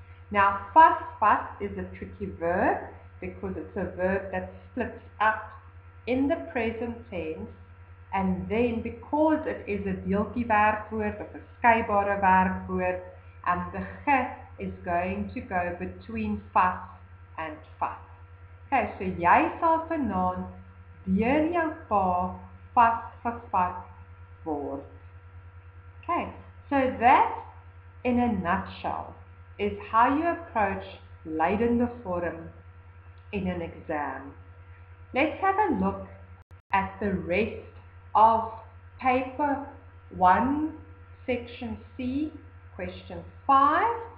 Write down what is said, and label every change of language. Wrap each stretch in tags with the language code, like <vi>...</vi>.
<en>Now, vasvat is a tricky verb because it's a verb that splits up in the present tense, and then because it is a deeltjie werkwoord, a verskeibare werkwoord, and the ge is going to go between vas and vat.</en> <af>Okay, so jy sal vanaand deur jou pa vasgevat word.</af> <en>Okay, so that in a nutshell is how you approach lydende vorm in an exam. Let's have a look at the rest of paper 1, section C, question 5.</en>